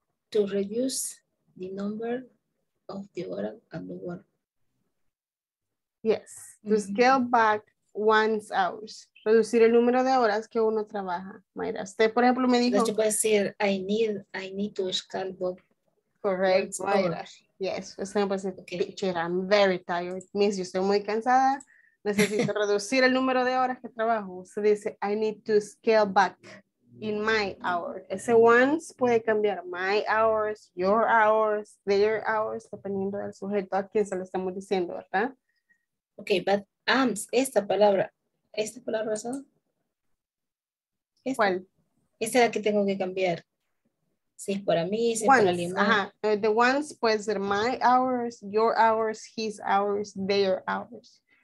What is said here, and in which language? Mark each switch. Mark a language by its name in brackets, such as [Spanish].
[English] To reduce the number of the hour and the work. Yes, to scale back 1 hour. [Spanish] Reducir el número de horas que uno trabaja. Mayra, usted por ejemplo me dijo. Yo puedo decir, [English] I need to scale back. Correct, Mayra. Yes, [Spanish] usted me puede decir, [English] teacher, I'm very tired. [Spanish] Miss, yo estoy muy cansada. Necesito reducir el número de horas que trabajo. Usted dice, [English] I need to scale back. In my hour. [Spanish] Ese once puede cambiar [English] my hours, your hours, their hours, [Spanish] dependiendo del sujeto a quien se lo estamos diciendo, ¿verdad? Ok, but arms, esta palabra son. ¿Cuál? Esta es la que tengo que cambiar. Si es para mí, si es para alguien más. [English] The ones [Spanish] puede ser [English] my hours, your hours, his hours, their hours.